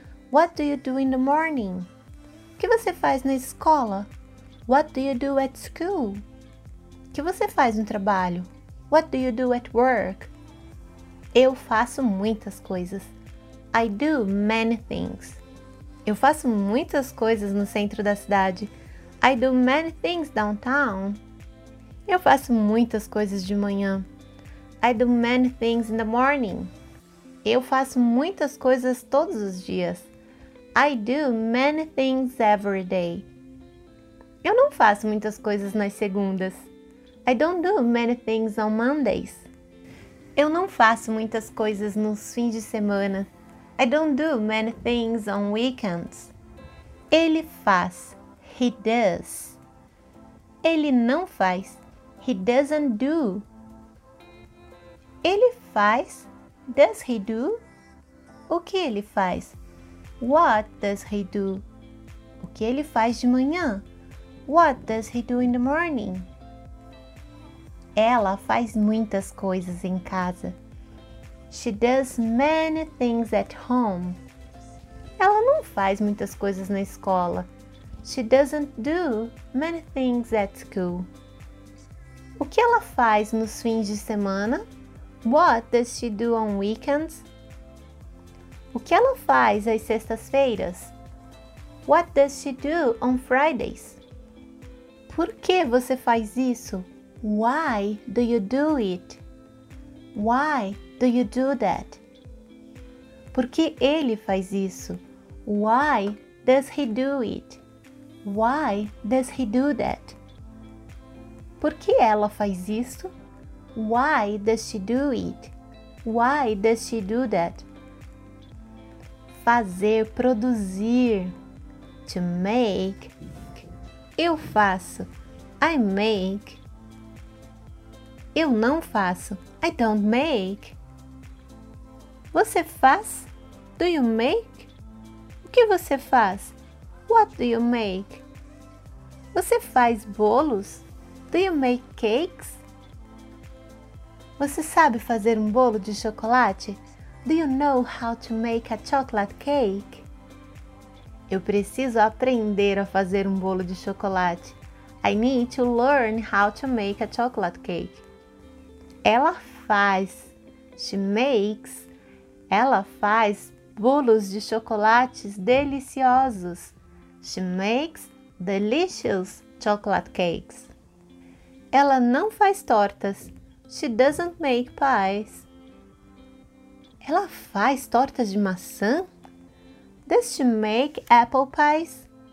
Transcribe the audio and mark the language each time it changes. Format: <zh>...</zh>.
<en>What do you do in the morning?</en> <pt>O que você faz na escola?</pt> <en>What do you do at school?</en> <pt>O que você faz no trabalho?</pt> <en>What do you do at work?</en> <pt>Eu faço muitas coisas.</pt> <en>I do many things.</en> <pt>Eu faço muitas coisas no centro da cidade.</pt> <en>I do many things downtown.</en> <pt>Eu faço muitas coisas de manhã.</pt> <en>I do many things in the morning.</en> <pt>Eu faço muitas coisas todos os dias.</pt> <en>I do many things every day.</en> <pt>Eu não faço muitas coisas nas segundas.</pt> <en>I don't do many things on Mondays.</en> <pt>Eu não faço muitas coisas nos fins de semana.</pt> <en>I don't do many things on weekends.</en> <pt>Ele faz.</pt> <en>He does.</en> <pt>Ele não faz.</pt> <en>He doesn't do.</en> <pt>Ele faz.</pt> <en>Does he do?</en> <pt>O que ele faz?</pt> <en>What does he do?</en> <pt>O que ele faz de manhã?</pt> <en>What does he do in the morning?</en> <pt>Ela faz muitas coisas em casa.</pt> <en>She does many things at home.</en> <pt>Ela não faz muitas coisas na escola.</pt> <en>She doesn't do many things at school.</en> <pt>O que ela faz nos fins de semana?</pt> <en>What does she do on weekends?</en> <pt>O que ela faz às sextas-feiras?</pt> <en>What does she do on Fridays?</en> <pt>Por que você faz isso?</pt> <en>Why do you do it? Why do you do that?</en> <pt>Por que ele faz isso?</pt> <en>Why does he do it? Why does he do that?</en> <pt>Por que ela faz isso?</pt> <en>Why does she do it? Why does she do that?</en> <pt>Fazer, produzir.</pt> <en>To make.</en> <pt>Eu faço.</pt> <en>I make.</en> <pt>Eu não faço.</pt> <en>I don't make.</en> <pt>Você faz?</pt> <en>Do you make?</en> <pt>O que você faz?</pt> <en>What do you make?</en> <pt>Você faz bolos?</pt> <en>Do you make cakes?</en> <pt>Você sabe fazer um bolo de chocolate?</pt> <en>Do you know how to make a chocolate cake?</en> <pt>Eu preciso aprender a fazer um bolo de chocolate.</pt> <en>I need to learn how to make a chocolate cake.</en> <pt>Ela faz.</pt> <en>She makes.</en> <pt>Ela faz bolos de chocolates deliciosos.</pt> <en>She makes delicious chocolate cakes.</en> <pt>Ela não faz tortas.</pt> <en>She doesn't make pies.</en> <pt>Ela faz tortas de maçã?</pt> <en>Does she make apple pies?</en>